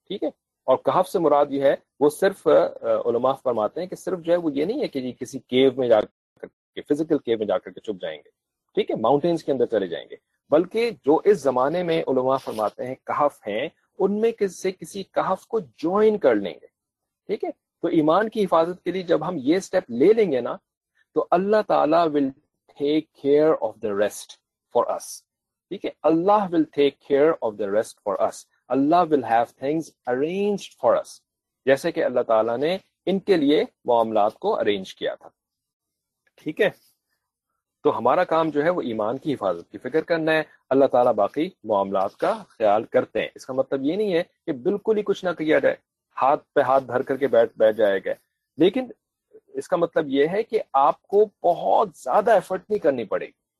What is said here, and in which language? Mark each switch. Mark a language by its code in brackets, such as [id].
[ur] ٹھیک ہے, اور کہف سے مراد یہ ہے, وہ صرف علماء فرماتے ہیں کہ صرف جو ہے وہ یہ نہیں ہے کہ جی کسی کیو میں جا کر کے, فزیکل کیو میں جا کر کے چھپ جائیں گے, ٹھیک ہے, ماؤنٹینز کے اندر چلے جائیں گے, بلکہ جو اس زمانے میں علماء فرماتے ہیں کہف ہیں, ان میں سے کسی کہف کو جوائن کر لیں گے. ٹھیک ہے, تو ایمان کی حفاظت کے لیے جب ہم یہ اسٹیپ لے لیں گے نا, تو اللہ تعالیٰ [en] will take care of the rest for us. [ur] ٹھیک ہے, [en] Allah will take care of the rest for us. Allah will have things arranged for us. [ur] جیسے کہ اللہ تعالیٰ نے ان کے لیے معاملات کو ارینج کیا تھا. ٹھیک ہے, تو ہمارا کام جو ہے وہ ایمان کی حفاظت کی فکر کرنا ہے, اللہ تعالیٰ باقی معاملات کا خیال کرتے ہیں. اس کا مطلب یہ نہیں ہے کہ بالکل ہی کچھ نہ کیا جائے, ہاتھ پہ ہاتھ دھر کر کے بیٹھ جائے گا, لیکن اس کا مطلب یہ ہے کہ آپ کو بہت زیادہ ایفرٹ نہیں کرنی پڑے گی.